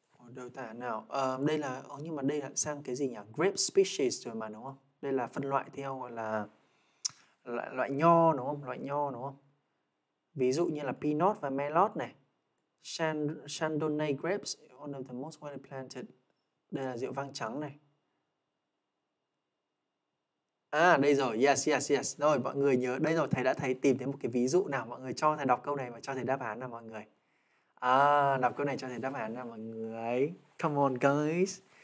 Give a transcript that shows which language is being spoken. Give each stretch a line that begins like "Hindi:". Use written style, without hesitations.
Vietnamese: Đâu ta nào? Đây là nhưng mà đây là sang cái gì nhỉ? Grape species rồi mà đúng không? Đây là phân loại theo gọi là loại nho đúng không? Loại nho đúng không? Ví dụ như là Pinot và Merlot này.
English: Chardonnay grapes, one of the most widely planted.
Vietnamese: Đây là rượu vang trắng này. À, đây rồi. Yes, yes, yes. Rồi, mọi người nhớ. Đây rồi, thầy đã thấy tìm thấy một cái ví dụ nào. Mọi người cho thầy đọc câu này và cho thầy đáp án nào mọi người. À, đọc câu này cho thầy đáp án nào mọi người.
English: Come on, guys.